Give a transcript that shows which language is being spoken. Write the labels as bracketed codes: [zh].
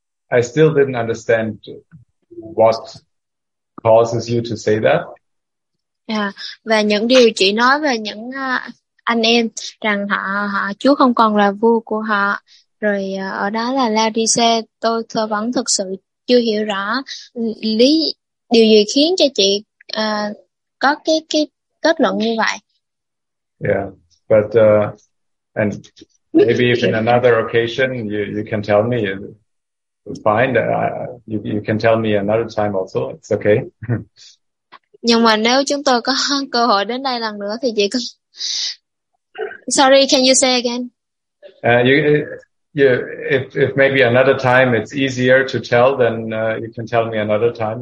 [en] I still didn't understand what causes you to say that. [vi] Yeah, và những điều chị nói về những anh em rằng họ Chúa không còn là vua của họ, rồi ở đó là Laodicea, tôi vẫn thực sự chưa hiểu rõ lý điều gì khiến cho chị có cái kết luận như vậy. [en] Yeah, but and maybe if in another occasion you can tell me. Fine. You can tell me another time also. It's okay. [vi] Nhưng mà nếu chúng tôi có cơ hội đến đây lần nữa thì chị có... [en] Sorry, can you say again? If maybe another time it's easier to tell, then you can tell me another time.